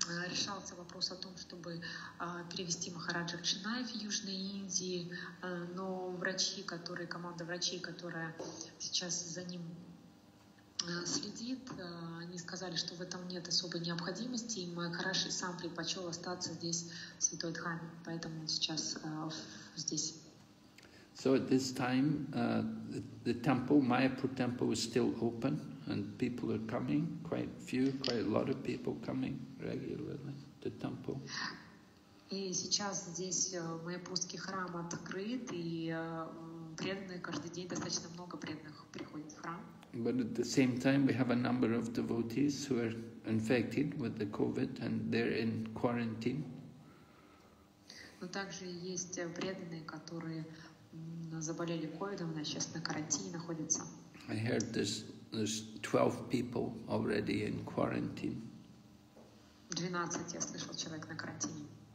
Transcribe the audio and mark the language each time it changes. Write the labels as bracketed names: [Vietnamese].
[Russian] Решался вопрос о том, чтобы перевести Махараджа в Ченнай в Южной Индии, но команда врачей, которая сейчас за ним следит, они сказали, что в этом нет особой необходимости, и Махараджа сам предпочел остаться здесь, в Святой Дхаме, поэтому он сейчас здесь. [English] So at this time, the temple, Mayapur temple, was still open, and people are coming, quite a lot of people coming. Regularly to temple. [Russian] И сейчас здесь майяпурский храм открыт, и преданные каждый день, достаточно много преданных приходит в храм. [English] But at the same time, we have a number of devotees who are infected with the COVID, and they're in quarantine. [Russian] Но также есть преданные, которые заболели COVID-ом, сейчас на карантине находятся. [English] I heard there's 12 people already in quarantine. [Russian] 12 я слышал человек на карантине.